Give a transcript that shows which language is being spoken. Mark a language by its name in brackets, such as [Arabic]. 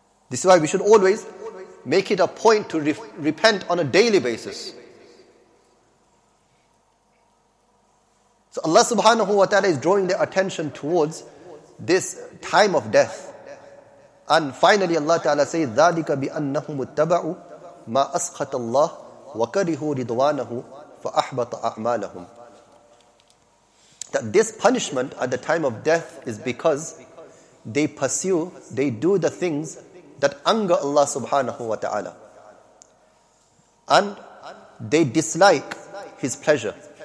[English] This is why we should always make it a point to repent on a daily basis. So Allah Subhanahu Wa Ta'ala is drawing their attention towards this time of death. And finally Allah Ta'ala says, [Arabic] ذَلِكَ بِأَنَّهُمُ اتَّبَعُوا مَا أَسْخَطَ اللَّهُ وَكَرِهُوا رِضْوَانَهُ فَأَحْبَطَ أَعْمَالَهُمْ. [English] That this punishment at the time of death is because they pursue, they do the things that anger Allah subhanahu wa ta'ala. And they dislike His pleasure.